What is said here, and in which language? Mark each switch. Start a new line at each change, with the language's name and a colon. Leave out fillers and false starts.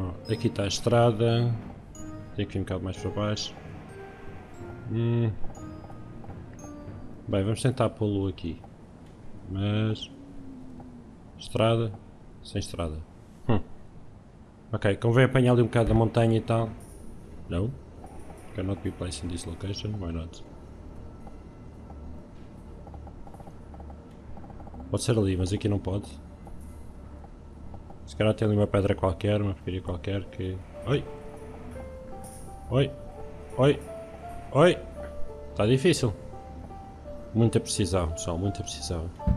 Portuguese: Aqui está a estrada. Tem que vir um bocado mais para baixo. Bem, vamos tentar pô-lo aqui. Mas estrada, sem estrada. Ok, convém apanhar ali um bocado da montanha e tal. Não?
English: Cannot be placed in this location, why not?
Portuguese: Pode ser ali, mas aqui não pode. Se calhar tem ali uma pedra qualquer, uma porcaria qualquer que... Oi! Está difícil. Muita precisão, pessoal, muita precisão.